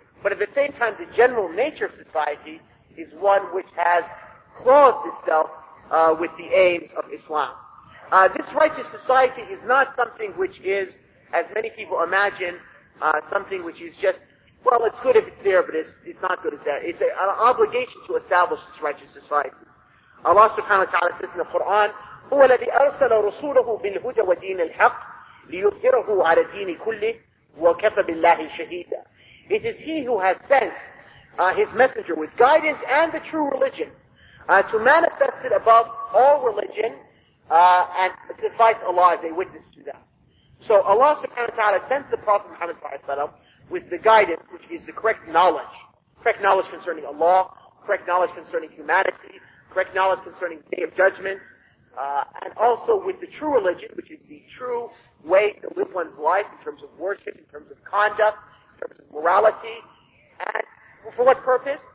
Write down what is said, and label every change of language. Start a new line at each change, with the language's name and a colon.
English: But at the same time, the general nature of society is one which has clothed itself with the aims of Islam. This righteous society is not something which is, as many people imagine, something which is just, well, it's good if it's there, but it's not good if that. It's an obligation to establish this righteous society. Allah subhanahu wa ta'ala says in the Quran,
Arabic: هُوَ الَّذِي أَرْسَلَ رُسُولَهُ بِالْهُدَى وَدِينِ الْحَقِّ لِيُظْهِرَهُ عَلَى دِينِ كُلِّهِ وَكَفَ بِاللَّهِ شَهِيدًا.
English: It is He who has sent His messenger with guidance and the true religion to manifest it above all religion and suffice Allah as a witness to that. So Allah subhanahu wa ta'ala sent the Prophet Muhammad sallallahu alayhi wa sallam with the guidance, which is the correct knowledge concerning Allah, correct knowledge concerning humanity, correct knowledge concerning the Day of Judgment, and also with the true religion, which is the true way to live one's life in terms of worship, in terms of conduct, in terms of morality, and for what purpose?